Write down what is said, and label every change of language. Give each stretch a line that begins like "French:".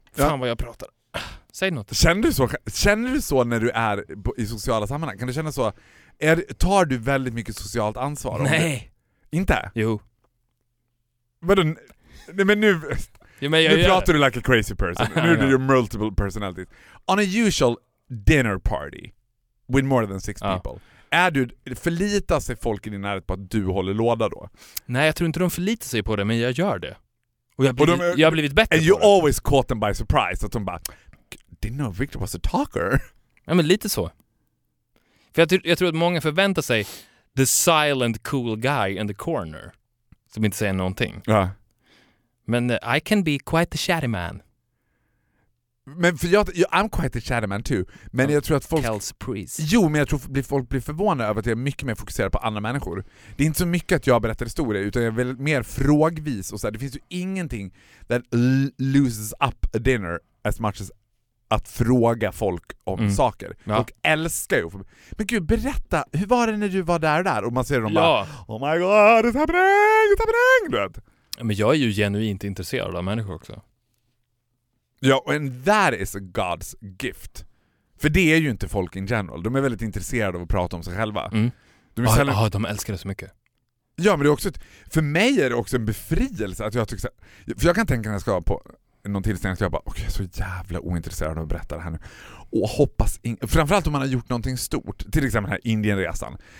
Swedish: Fan ja. Vad jag pratar. Säg något. Känner du så när du är i sociala sammanhang? Kan du känna så? Tar du väldigt mycket socialt ansvar? Nej. Inte? Jo. Men nu pratar du
English: like a crazy person.
Swedish: Nu är du
English: your multiple personalities. On a usual dinner party with more than 6 people.
Swedish: Förlitar sig folk i din närhet på att du håller låda då? Nej, jag tror inte de förlitar sig på det, men jag gör det. Och jag har blivit bättre.
English: And you always caught them by surprise.
Swedish: Att de bara,
English: didn't know Victor was a talker.
Swedish: Ja, men lite så. För jag tror att många förväntar sig
English: the silent cool guy in the corner.
Swedish: Som inte säger någonting. Ja. Men
English: I can be quite the chatty man.
Swedish: Men för jag
English: I'm quite the chatty man too.
Swedish: Men jag tror att folk... Kels Priest. Jo, men jag tror att folk blir förvånade över att jag är mycket mer fokuserad på andra människor. Det är inte så mycket att jag berättar historier, utan jag är väl mer frågvis. Och så här, det finns ju ingenting
English: that loses up a dinner as much as
Swedish: att fråga folk om saker. Ja. Och älskar ju. Men gud, berätta. Hur var det när du var där? Och man ser dem bara...
English: Oh my god, it's happening!
Swedish: Du vet. Men jag är ju genuint intresserad av människor också. Ja,
English: and that is a God's gift.
Swedish: För det är ju inte folk
English: in general.
Swedish: De är väldigt intresserade av att prata om sig själva. Mm. De älskar det så mycket. Ja, men det är också för mig är det också en befrielse att jag tycker så här, för jag kan tänka när jag ska på någon tillställning att jag bara, okej, så jävla ointresserad av att berätta det här nu. Och hoppas framförallt om man har gjort någonting stort, till exempel den här Indienresan.